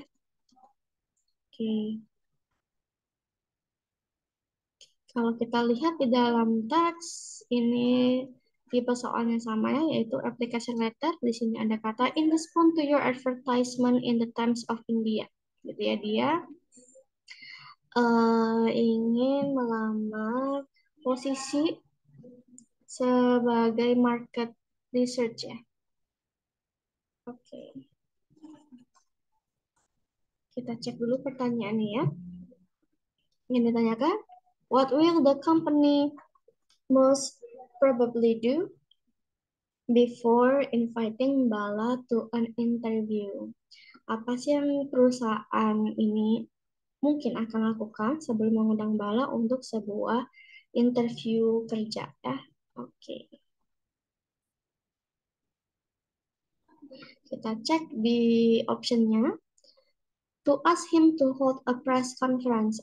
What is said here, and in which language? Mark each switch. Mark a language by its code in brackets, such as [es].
[id] Oke. Kalau kita lihat di dalam teks ini tipe soalnya sama ya, yaitu application letter. Di sini ada kata [en] in response to your advertisement in the Times of India. [id] Jadi ya dia ingin melamar posisi sebagai market research ya. Oke. Kita cek dulu pertanyaannya ya. Ingin ditanyakan, [en] what will the company most probably do before inviting Bala to an interview? [id] Apa sih yang perusahaan ini mungkin akan lakukan sebelum mengundang Bala untuk sebuah interview kerja ya? Oke. Kita cek di optionnya. [en] To ask him to hold a press conference.